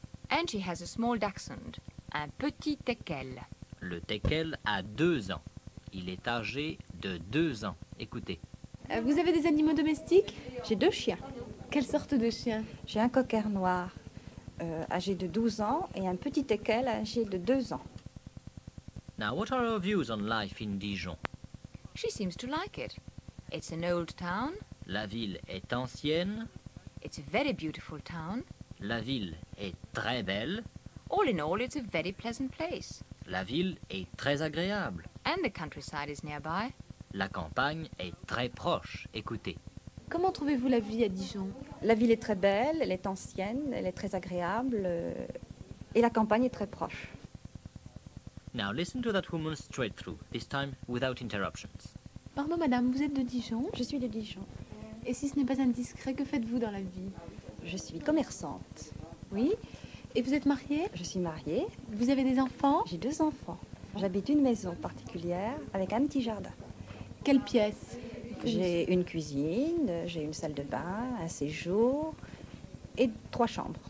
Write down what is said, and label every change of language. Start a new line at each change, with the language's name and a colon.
English: And she has a small dachshund,
French: un petit teckel. Le teckel a 2 ans. Il est âgé de 2 ans. Écoutez. Vous avez des animaux domestiques? J'ai deux chiens. Quelle sorte de chien? J'ai un cocker noir, âgé de 12 ans, et un petit teckel âgé de 2 ans.
English: Now, what are her views on life in Dijon? She seems to like it. It's an old town.
French: La ville est ancienne.
English: It's a very beautiful town.
French: La ville est très belle.
English: All in all, it's a very pleasant place.
French: La ville est très agréable.
English: And the countryside is nearby.
French: La campagne est très proche. Écoutez. Comment trouvez-vous la vie à Dijon? La ville est très belle, elle est ancienne, elle est très agréable, et la campagne est très proche.
English: Now listen to that woman straight through, this time without interruptions.
French: Pardon madame, vous êtes de Dijon? Je suis de Dijon. Et si ce n'est pas indiscret, que faites-vous dans la vie? Je suis commerçante. Oui? Et vous êtes mariée? Je suis mariée. Vous avez des enfants? J'ai deux enfants. J'habite une maison particulière avec un petit jardin. Quelle pièce? J'ai une cuisine, j'ai une salle de bain, un séjour et 3 chambres.